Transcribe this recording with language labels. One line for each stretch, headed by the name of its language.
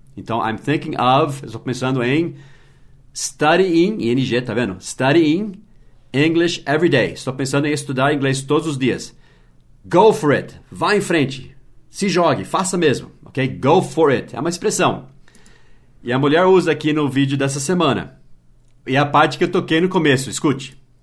Portuguese: Então,
English: I'm thinking of,
Portuguese: eu estou pensando em
English: studying,
Portuguese: ing, tá vendo?
English: Studying English every day.
Portuguese: Estou pensando em estudar inglês todos os dias.
English: Go for it.
Portuguese: Vá em frente. Se jogue. Faça mesmo. Ok? Go for it. É uma expressão. E a mulher usa aqui no vídeo dessa semana. E a parte que eu toquei no começo, escute.